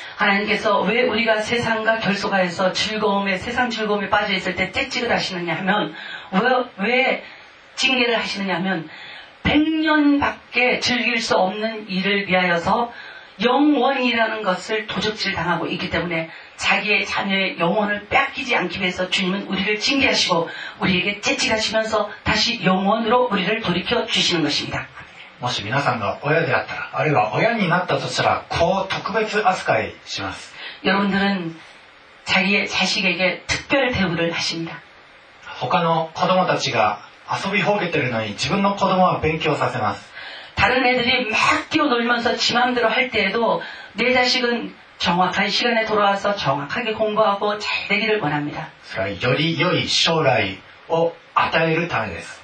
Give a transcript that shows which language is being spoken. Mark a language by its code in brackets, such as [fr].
[ko] 하나님께서왜우리가세상과결속하여서즐거움에세상즐거움에빠져있을때채찍을하시느냐하면왜징계를하시느냐하면100년밖에즐길수없는일을위하여서영원이라는것을도적질당하고있기때문에자기의자녀의영원을뺏기지않기위해서주님은우리를징계하시고우리에게채찍하시면서다시영원으로우리를돌이켜주시는것입니다 [ja] もし皆さんが親であったら、あるいは親になったとしたら、こう特別扱いします。 [ko] 여러분들은자기의자식에게특별대우를하십니다。 [ja] 他の子供たちが遊びほうけてるのに、自分の子供は勉強させます。 [ko] 다른애들이막뛰어놀면서지맘대로할때에도내자식은정확한시간에돌아와서정확하게공부하고잘되기를원합니다。 [ja] それはより良い将来を与えるためです。